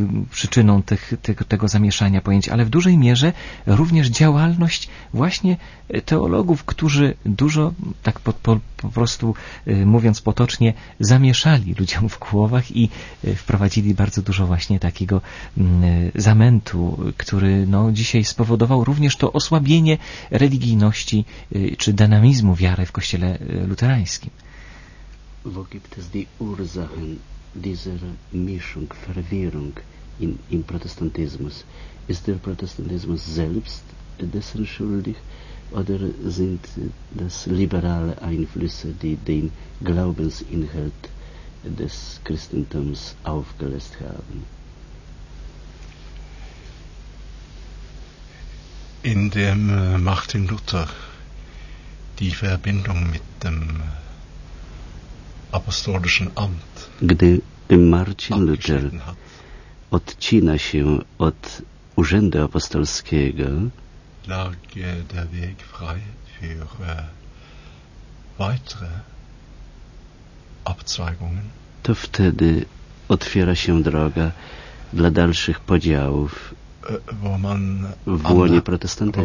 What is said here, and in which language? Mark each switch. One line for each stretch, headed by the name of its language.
Polish: przyczyną tego zamieszania pojęć, ale w dużej mierze również działalność właśnie teologów, którzy dużo, tak po prostu mówiąc potocznie, zamieszali ludziom w głowach i wprowadzili bardzo dużo właśnie takiego zamętu, który dzisiaj spowodował również to osłabienie religijności czy dynamizmu wiary w Kościele luterańskim.
German: Wo gibt es die Ursachen dieser Mischung, Verwirrung im Protestantismus? Ist der Protestantismus selbst dessen schuldig oder sind das liberale Einflüsse, die den Glaubensinhalt des Christentums aufgelöst haben? In dem Martin Luther die Verbindung mit dem apostolischen Amt.
Polish: Gdy Marcin Luther odcina się od urzędu apostolskiego,
German: lag der Weg frei für weitere Abzweigungen.
Polish: To wtedy otwiera się droga dla dalszych podziałów
German: wo man
Polish: w łonie protestantyzmu.